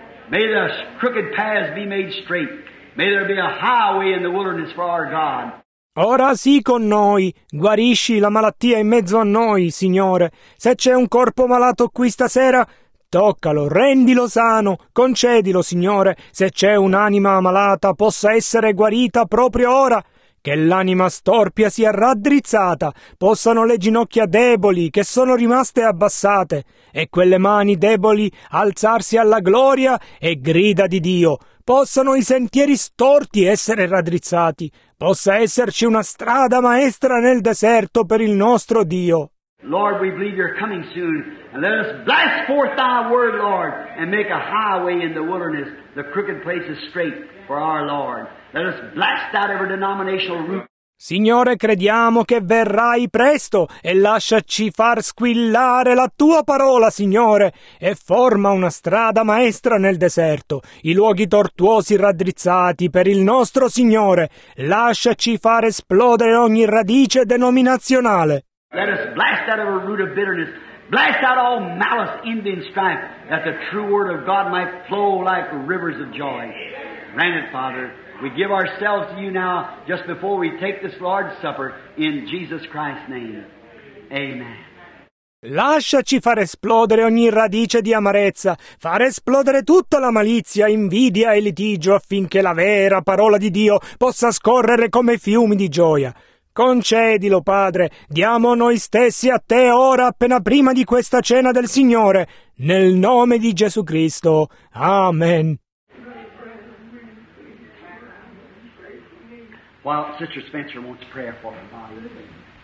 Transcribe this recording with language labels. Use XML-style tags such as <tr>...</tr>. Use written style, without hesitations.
<en>May the crooked paths be made straight. May there be a highway in the wilderness for our God.</en> <it>Ora sì con noi, guarisci la malattia in mezzo a noi, Signore. Se c'è un corpo malato qui stasera, toccalo, rendilo sano, concedilo, Signore, se c'è un'anima malata possa essere guarita proprio ora, che l'anima storpia sia raddrizzata, possano le ginocchia deboli che sono rimaste abbassate, e quelle mani deboli alzarsi alla gloria e grida di Dio, possano i sentieri storti essere raddrizzati, possa esserci una strada maestra nel deserto per il nostro Dio.</it> <en>Lord, we believe you're coming soon, and let us blast forth thy word, Lord, and make a highway in the wilderness, the crooked places straight for our Lord. Let us blast out every denominational root.</en> <it>Signore, crediamo che verrai presto, e lasciaci far squillare la tua parola, Signore, e forma una strada maestra nel deserto, i luoghi tortuosi raddrizzati per il nostro Signore. Lasciaci far esplodere ogni radice denominazionale.</it> <en>Let us blast out every root of bitterness, blast out all malice, envy, and strife, that the true word of God might flow like rivers of joy. Grant it, Father. We give ourselves to you now, just before we take this Lord's Supper, in Jesus Christ's name. Amen.</en> <it>Lasciaci far esplodere ogni radice di amarezza, far esplodere tutta la malizia, invidia e litigio, affinché la vera parola di Dio possa scorrere come fiumi di gioia. Concedilo, Padre, diamo noi stessi a Te ora, appena prima di questa cena del Signore, nel nome di Gesù Cristo. Amen.</it> <en>While Sister Spencer wants prayer for the body.</en>